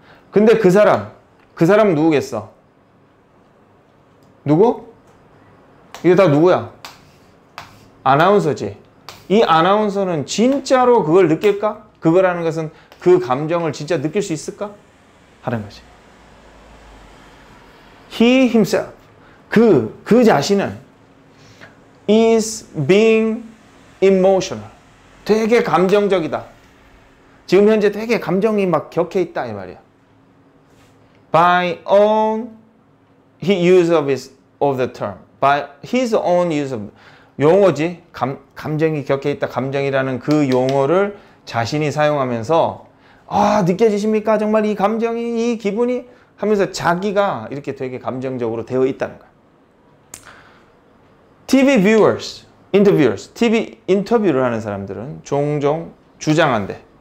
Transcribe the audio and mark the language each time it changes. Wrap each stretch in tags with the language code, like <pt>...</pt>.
<ko>근데 그 사람 누구겠어? 누구? 이게 다 누구야? 아나운서지. 이 아나운서는 진짜로 그걸 느낄까? 그거라는 것은 그 감정을 진짜 느낄 수 있을까? 하는 거지.</ko> <en>He himself,</en> <ko>그 자신은</ko> <en>is being emotional.</en> <ko>되게 감정적이다. 지금 현재 되게 감정이 막 격해 있다 이 말이야.</ko> <en>By own use of the term, by his own use of</en> <ko>용어지. 감정이 격해 있다. 감정이라는 그 용어를 자신이 사용하면서 아 느껴지십니까? 정말 이 감정이 이 기분이 하면서 자기가 이렇게 되게 감정적으로 되어 있다는 거야.</ko> <en>TV viewers, interviewers,</en> <ko>TV 인터뷰를 하는 사람들은 종종 주장한대.</ko>